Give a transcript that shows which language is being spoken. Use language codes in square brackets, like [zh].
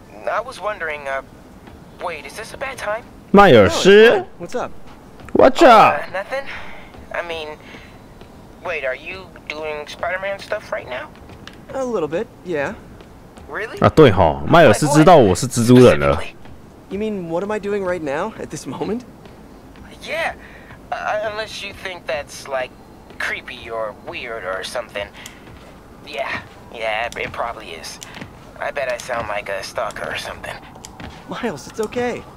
[en] I was wondering, wait, is this a bad time? [zh] 迈尔斯 [en] What's up? What's up? Nothing. I mean, wait, are you doing Spider-Man stuff right now? A little bit, yeah. Really? [zh] 啊，对哈，迈尔斯知道我是蜘蛛人了。 [en] You mean what am I doing right now at this moment? Yeah, unless you think that's like creepy or weird or something. Yeah, yeah, it probably is. I bet I sound like a stalker or something. Miles, it's okay.